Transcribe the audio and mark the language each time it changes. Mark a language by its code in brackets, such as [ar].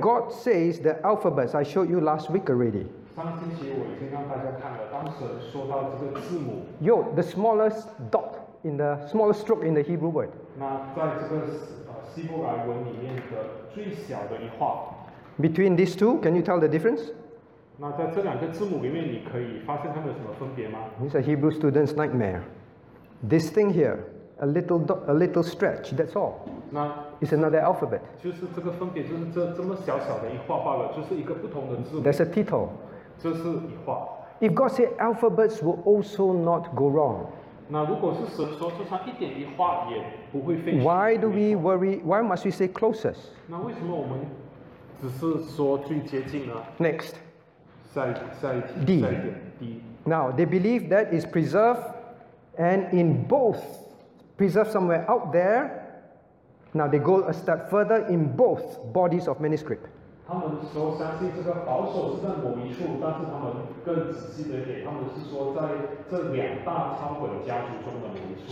[en] God says the alphabets, I showed you last week already. [zh] 上星期我已经让大家看了，当神说到这个字母。 [en] Yo, the smallest dot in the smallest stroke in the Hebrew word. [zh] 那在这个希伯来文里面的最小的一画。 [en] Between these two, can you tell the difference? [zh] 那在这两个字母里面，你可以发现它们有什么分别吗？ [en] It's a Hebrew student's nightmare. This thing here, a little stretch, that's all. [zh] 那 [en] It's another alphabet. [zh] 就是这个分别，就是这么小小的一画罢了，就是一个不同的字母。 [en] There's a tittle. [zh] 这是一画。 [en] If God said alphabets will also not go wrong. [zh] 那如果是神说，就算一点一画也不会废弃。 [en] Why do we worry? Why must we say closest? [zh] 那为什么我们只是说最接近呢？ [en] Next. [zh] 下一点, D. [en] Now, they believe that is preserved and in both, preserved somewhere out there. Now, they go a step further in both bodies of manuscript. [zh] 他们说相信这个保守是在某一处，但是他们更仔细的点，他们是说在这两大抄本家族中的某一处。